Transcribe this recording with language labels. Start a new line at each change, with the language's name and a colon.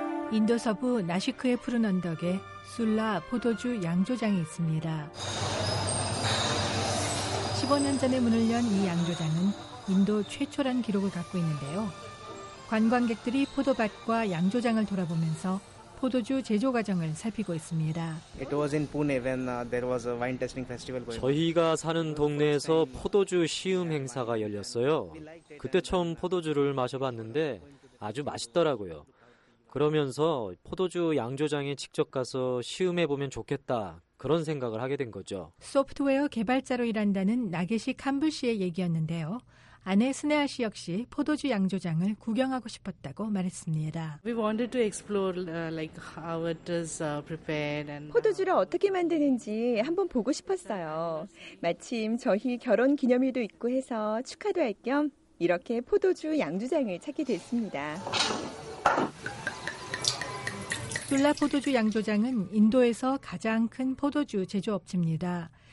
Korean: 인도 서부 나시크의 푸른 언덕에 술라 포도주 양조장이 있습니다. 15년 전에 문을 연 이 양조장은 인도 최초란 기록을 갖고 있는데요. 관광객들이 포도밭과 양조장을 돌아보면서 포도주 제조 과정을 살피고 있습니다.
English: It was in Pune when there was a wine tasting festival.
Korean: 저희가 사는 동네에서 포도주 시음 행사가 열렸어요. 그때 처음 포도주를 마셔봤는데 아주 맛있더라고요. 그러면서 포도주 양조장에 직접 가서 시음해보면 좋겠다, 그런 생각을 하게 된 거죠. 소프트웨어 개발자로 일한다는 나게시 캄불 씨의 얘기였는데요. 아내 스네아 씨 역시 포도주 양조장을 구경하고 싶었다고 말했습니다.
English: We wanted to explore like how it is prepared and
Korean: 포도주를 어떻게 만드는지 한번 보고 싶었어요. 마침 저희 결혼 기념일도 있고 해서 축하도 할 겸 이렇게 포도주 양조장을 찾게 됐습니다. 술라 포도주 양조장은 인도에서 가장 큰 포도주 제조업체입니다.